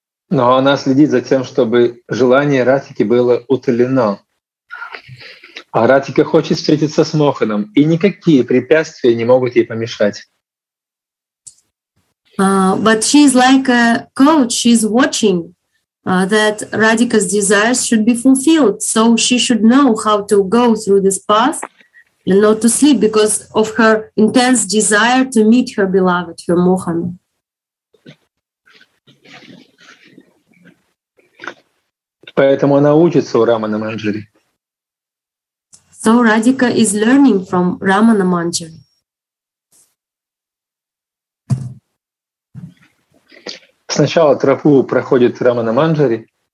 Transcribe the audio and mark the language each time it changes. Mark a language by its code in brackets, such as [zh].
[ru] Но она следит за тем, чтобы желание Ратики было утолено. А Ратика хочет встретиться с Моханом, и никакие препятствия не могут ей помешать. [en] But she's like a coach. She's watching that Radhika's desires should be fulfilled. So she should know how to go through this path and not to sleep because of her intense desire to meet her beloved, her Mohan. [ru] Поэтому она учится у Рамана Манджари. [en] So Radhika is learning from Ramana Manjari. [ru] Сначала тропу проходит Рамана Манджари.